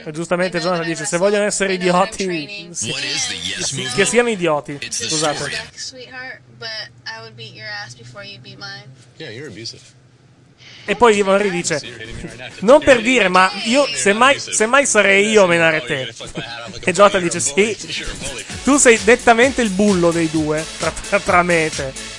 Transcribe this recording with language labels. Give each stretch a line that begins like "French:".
Italian: Giustamente Jonathan dice, se vogliono essere idioti, che siano idioti. Scusate.
English: Sweetheart, but I would beat your ass before you beat mine. Yeah, you're abusive.
Italian: E poi Ivan ridice, non per dire, ma io semmai sarei io a menare te. E Jota dice, sì, tu sei nettamente il bullo dei due, tra me e te.